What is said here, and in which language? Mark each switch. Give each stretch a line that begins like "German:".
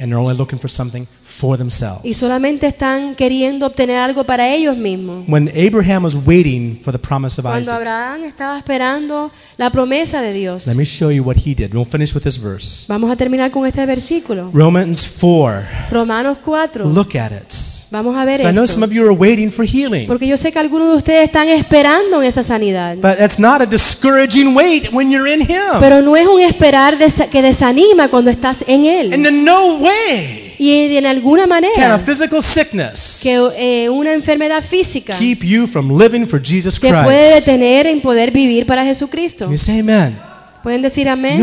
English: And they're only looking for something for themselves.
Spanish: Y solamente están queriendo obtener algo para ellos mismos.
English: When Abraham was waiting for the promise of
Spanish: cuando
English: Isaac,
Spanish: Abraham estaba esperando la promesa de Dios.
English: Let me show you what he did. We'll finish with this verse.
Spanish: Vamos a terminar con este versículo.
English: Romans 4.
Spanish: Romanos 4.
English: Look at it.
Spanish: Vamos a ver
English: esto. I know some of you are waiting for healing.
Spanish: Porque yo sé que algunos de ustedes están esperando en esa sanidad.
English: But it's not a discouraging wait when you're in Him.
Spanish: Pero no es un esperar que desanima cuando estás en Él.
English: And in no way.
Spanish: Y de alguna manera.
English: Can a physical sickness
Spanish: que una enfermedad física
English: keep you from living for Jesus Christ.
Spanish: Te puede detener en poder vivir para Jesucristo.
English: Can you say amen?
Spanish: Pueden decir amén.